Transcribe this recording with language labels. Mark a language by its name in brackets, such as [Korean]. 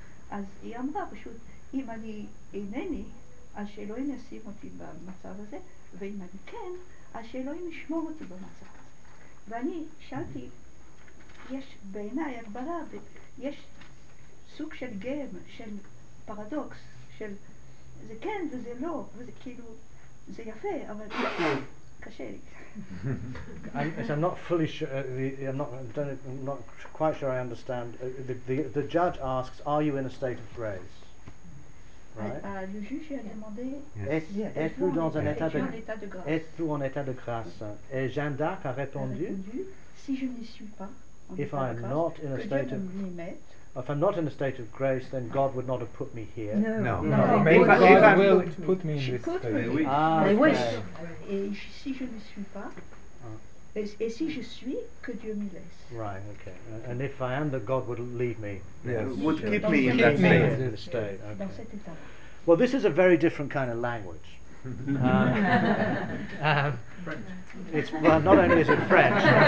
[Hebrew] אז היא אמרה פשוט, אם אני אינני, אז שאלוהים ישים אותי במצב הזה, ואם אני כן, אז שאלוהים ישמור אותי במצב הזה. ואני שאלתי, יש בעיניי הגבלה, יש סוג של גם, של פרדוקס, של זה כן וזה לא, וזה כאילו, זה יפה, אבל קשה לי. [English] I'm not fully sure, I'm not quite sure I understand. The judge asks, are you in a state of grace? Right. [French] Le juge a demandé [English] yes. [French] Êtes-vous en état de grâce? Et Jeanne d'Arc a répondu, si je n'y suis pas, [English] if I'm not in a state of grace, if I'm not in a state of grace, then God would not have put me here. No. God will put me in this state. Ah, wish. [French] Et si je n'y suis pas, et si je suis, que Dieu m'y laisse. [English] Right, okay. And if I am, that God would leave me. Yes. Would keep me in that state. In the state. Okay. Well, this is a very different kind of language. French. It's, well, not only is it French.